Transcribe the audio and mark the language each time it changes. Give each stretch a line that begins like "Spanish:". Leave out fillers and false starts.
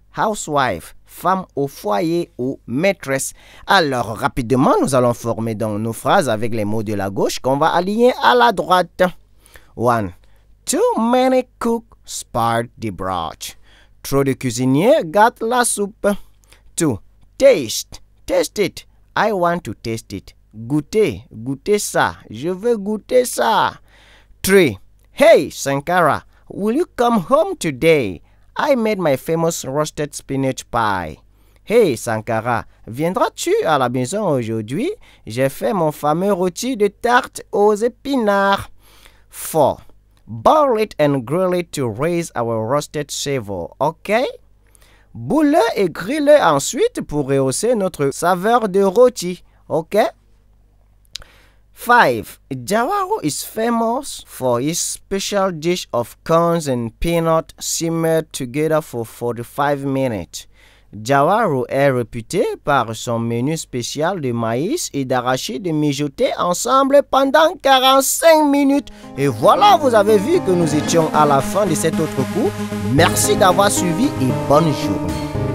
French: Housewife, femme au foyer ou maîtresse. Alors, rapidement, nous allons former donc nos phrases avec les mots de la gauche qu'on va aligner à la droite. 1.
English: Too many cooks spoiled the broth.
French: Trop de cuisiniers gâtent la soupe.
English: 2. Taste, taste it. I want to taste it.
French: Goûter, goûter ça. Je veux goûter ça. 3.
English: Hey, Sankara, will you come home today? I made my famous roasted spinach pie.
French: Hey Sankara, viendras-tu à la maison aujourd'hui? J'ai fait mon fameux rôti de tarte aux épinards. 4.
English: Boil it and grill it to raise our roasted savour, ok?
French: Boule et grille ensuite pour rehausser notre saveur de rôti, ok? 5.
English: Jawaro is famous for his special dish of corns and peanut simmered together for 45 minutes.
French: Jawaro est réputé par son menu spécial de maïs et d'arachide mijoté ensemble pendant 45 minutes. Et voilà, vous avez vu que nous étions à la fin de cet autre cours. Merci d'avoir suivi et bonne journée.